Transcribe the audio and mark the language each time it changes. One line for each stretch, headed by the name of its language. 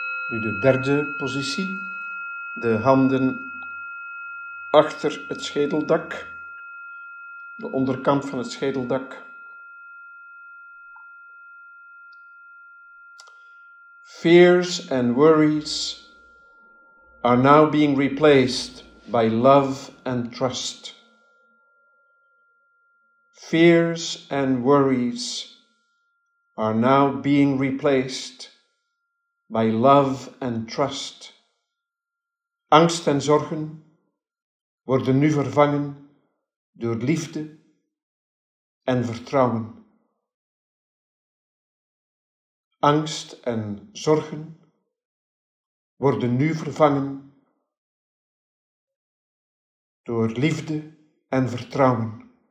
Dutch: Nu de derde positie. De handen achter het schedeldak. De onderkant van het schedeldak.
English: Fears and worries are now being replaced by love and trust. Fears and worries are now being replaced by love and trust.
Dutch: Angst en zorgen worden nu vervangen door liefde en vertrouwen. Angst en zorgen worden nu vervangen door liefde en vertrouwen.